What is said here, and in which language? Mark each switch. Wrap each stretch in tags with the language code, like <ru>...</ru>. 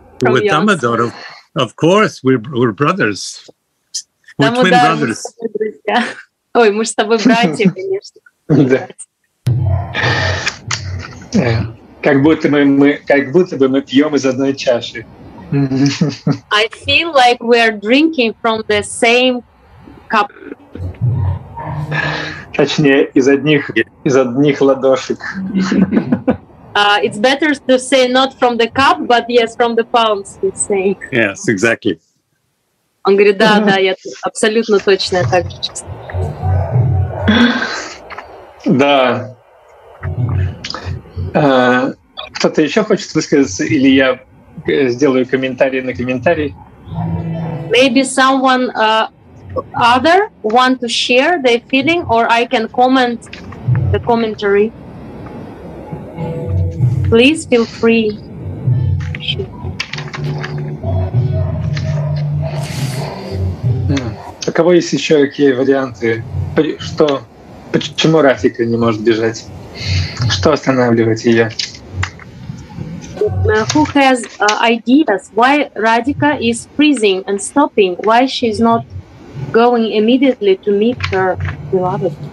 <en>With Damodar, of course, we're brothers. We're twin brothers.</en> <ru>Ой, мы с тобой братья, конечно. Да. Как будто бы мы пьем из одной чаши.</ru> <en>I feel like we are drinking from the same cup.</en> <ru>Точнее, из одних ладошек.</ru> <en>It's better to say not from the cup, but yes, from the palms, he's saying. Yes, exactly.</en> <ru>Он говорит, да, да, я абсолютно точно так же чувствую. Да. Кто-то еще хочет высказаться, или я сделаю комментарий на комментарий?</ru> <en>Maybe someone other want to share their feeling, or I can comment the commentary. Please feel free.</en> <ru>А кого есть еще какие варианты? Что? Почему Рафика не может бежать? Что останавливает ее?</ru> <en>Who has ideas why Radhika is freezing and stopping? Why she is not going immediately to meet her beloved?</en>